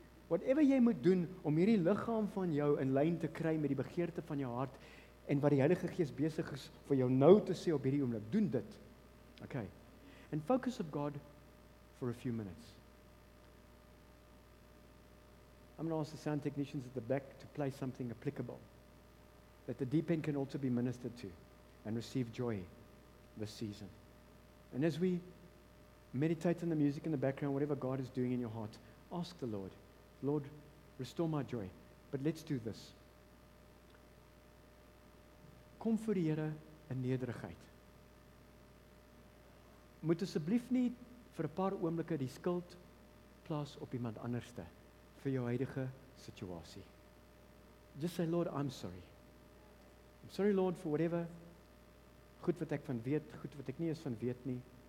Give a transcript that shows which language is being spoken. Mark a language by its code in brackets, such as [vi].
[af] Whatever jy moet doen om hierdie liggaam van jou in lyn te kry met die begeerte van jou hart en wat die Heilige Gees besig is vir jou nou te sê op hierdie oomblik, doen dit. [en] Okay. And focus on God for a few minutes. I'm going to ask the sound technicians at the back to play something applicable that the deep end can also be ministered to and receive joy this season. And as we meditate on the music in the background, whatever God is doing in your heart, ask the Lord, Lord, restore my joy. But let's do this. [af] Kom vir die Here in nederigheid. Moet asseblief nie vir 'n paar oomblikke die skuld plaas op iemand anderste vir jou huidige situasie. [en] Just say, Lord, I'm sorry. I'm sorry, Lord, for whatever. [af] Goed wat ek van weet, goed wat ek nie eens van weet nie.